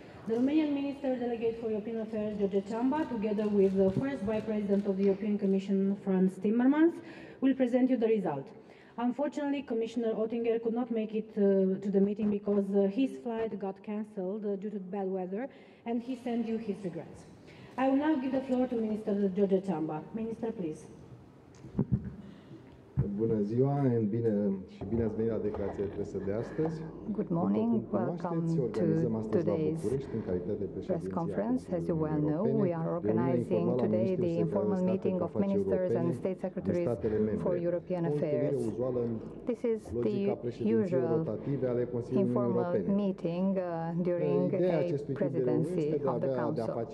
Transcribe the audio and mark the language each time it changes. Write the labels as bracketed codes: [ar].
[en] The Romanian Minister Delegate for European Affairs, George Ciamba, together with the first Vice President of the European Commission, Frans Timmermans, will present you the result. Unfortunately, Commissioner Oettinger could not make it to the meeting because his flight got cancelled due to bad weather, and he sent you his regrets. I will now give the floor to Minister George Ciamba. Minister, please. [ro] Bună ziua and bine, și bine ați venit la declarația de presă de astăzi. [en] Good morning, welcome to today's press conference. As you well know, we are organizing today the informal meeting of ministers and state secretaries for European affairs. This is the usual informal meeting during a presidency of the Council.